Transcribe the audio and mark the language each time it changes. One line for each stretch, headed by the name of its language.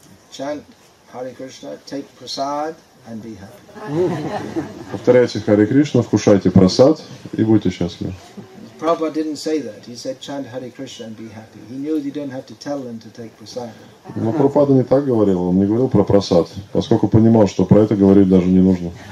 English: Chant Hare Krishna, take prasad and be happy.
Russian: Повторяйте Харе Кришна, вкушайте прасад и будьте счастливы.
English: Prabhupada didn't say that. He said chant Hare Krishna and be happy. He knew you don't have to tell them to take prasad.
Russian: Но Прабхупада не так говорил. Он не говорил про прасад, поскольку понимал, что про это говорить даже не нужно.